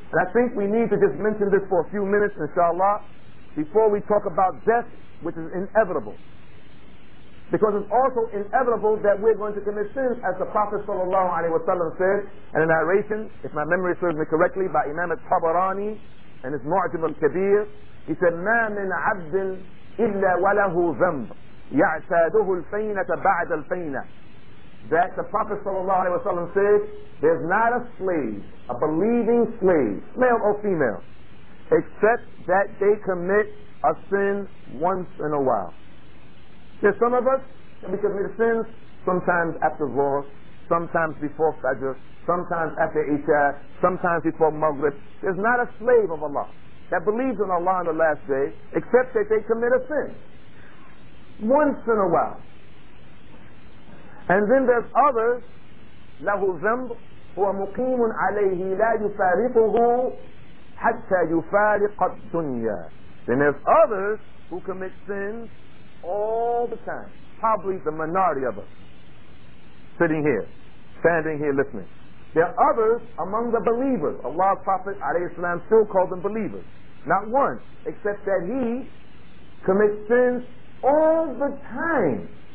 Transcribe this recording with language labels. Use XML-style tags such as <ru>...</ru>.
<en>And I think we need to just mention this for a few minutes, inshallah, before we talk about death, which is inevitable. Because it's also inevitable that we're going to commit sins, as the Prophet sallallahu alaihi wasallam said in a narration, if my memory serves me correctly, by Imam al-Tabarani and his Mu'jam al-Kabir. He said,</en> <ar>مَا مِنْ عَبْدٍ إِلَّا وَلَهُ ذَنْبٌ يَعْتَادُهُ الْفَيْنَةَ بَعْدَ الْفَيْنَةِ.</ar> <en>That the Prophet sallallahu alaihi wasallam said, there's not a slave, a believing slave, male or female, except that they commit a sin once in a while. There's some of us that we commit sins sometimes after Zohar, sometimes before Fajr, sometimes after Isha, sometimes before Maghrib. There's not a slave of Allah that believes in Allah on the last day except that they commit a sin once in a while. And then there's others,</en> <ar>لَهُ ذَنْبُ هُوَ مُقِيمٌ عَلَيْهِ لَا يُفَارِقُهُ حَتَّى يُفَارِقَ الدُّنْيَا.</ar> <en>Then there's others who commit sins all the time, probably the minority of us sitting here, standing here listening. There are others among the believers. Allah's Prophet ﷺ still called them believers. Not one, except that he commits sins all the time.</en>